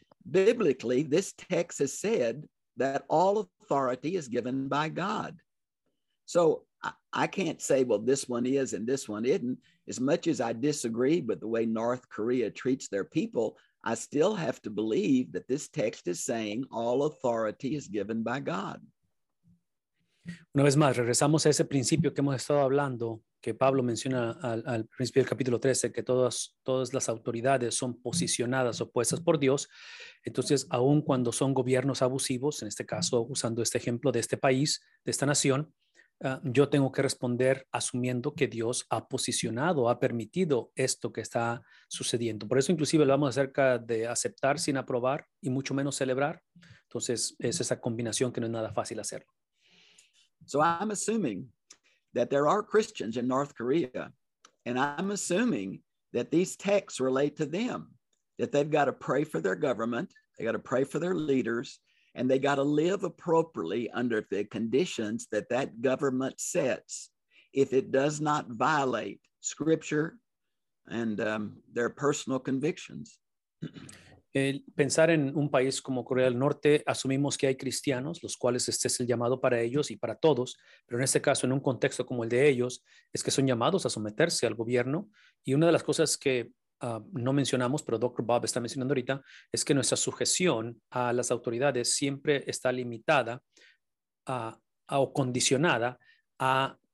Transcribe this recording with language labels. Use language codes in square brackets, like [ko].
[en] Biblically, this text has said that all authority is given by God. So I can't say, well, this one is and this one isn't. As much as I disagree with the way North Korea treats their people, I still have to believe that this text is saying all authority is given by God. [es] Una vez más, regresamos a ese principio que hemos estado hablando, que Pablo menciona al principio del capítulo 13, que todas las autoridades son posicionadas o puestas por Dios. Entonces, aun cuando son gobiernos abusivos, en este caso, usando este ejemplo de este país, de esta nación, yo tengo que responder asumiendo que Dios ha posicionado, ha permitido esto que está sucediendo. Por eso inclusive lo vamos acerca de aceptar sin aprobar y mucho menos celebrar. Entonces, es esa combinación que no es nada fácil hacerlo. [en] So I'm assuming that there are Christians in North Korea, and I'm assuming that these texts relate to them, that they've got to pray for their government, they got to pray for their leaders, and they got to live appropriately under the conditions that government sets if it does not violate scripture and their personal convictions. [es] El pensar en un país como Corea del Norte, asumimos que hay cristianos, los cuales este es el llamado para ellos y para todos, pero en este caso, en un contexto como el de ellos, es que son llamados a someterse al gobierno. Y una de las cosas que no mencionamos, pero Dr. Bob está mencionando ahorita, es que nuestra sujeción a las autoridades siempre está limitada o condicionada a